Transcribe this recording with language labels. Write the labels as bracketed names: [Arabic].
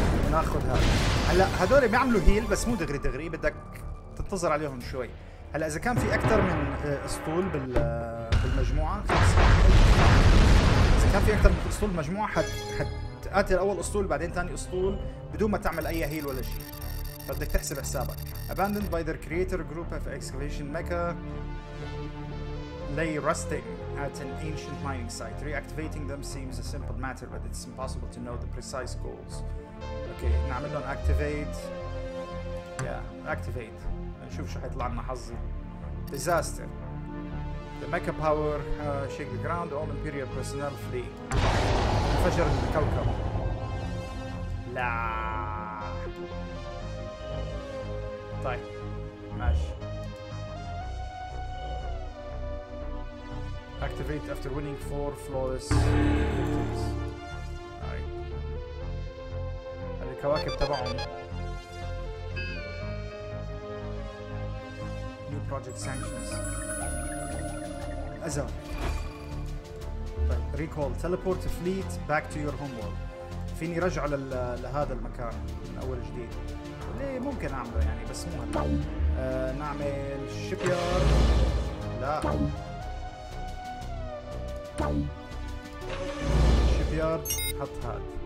[Arabic] ناخذ هذا. هلا هذول بيعملوا هيل بس مو دغري دغري، بدك تنتظر عليهم شوي. هلا اذا كان في اكثر من اسطول بالمجموعه خلص. اذا كان في اكثر من اسطول بالمجموعه حتقاتل اول اسطول بعدين ثاني اسطول بدون ما تعمل اي هيل ولا شيء. فبدك تحسب حسابك. [English] Abandoned by their creator group of excavation mecha lay rusting at an ancient mining site. Reactivating them seems a simple matter but it's impossible to know the precise goals. [Arabic] اوكي نعمل لهم activate. [English] Yeah, activate. [Arabic] نشوف شو حيطلع لنا حظي. [English] Disaster. The mecha power shake the ground. All Imperial personnel flee. [Arabic] انفجر الكوكب. لا. طيب. ماشي. [English] Activate after winning 4 flawless victories. [Arabic] طيب. الكواكب تبعهم. [English] Project sanctions. Azar. [Arabic] طيب. [English] Recall. Teleport fleet back to your homeworld. [Arabic] فيني رجع لهذا المكان من أول جديد. ليه ممكن أعمله يعني بس مو هلا. نعمل شيبيار. لا. شيبيار. حط هاد.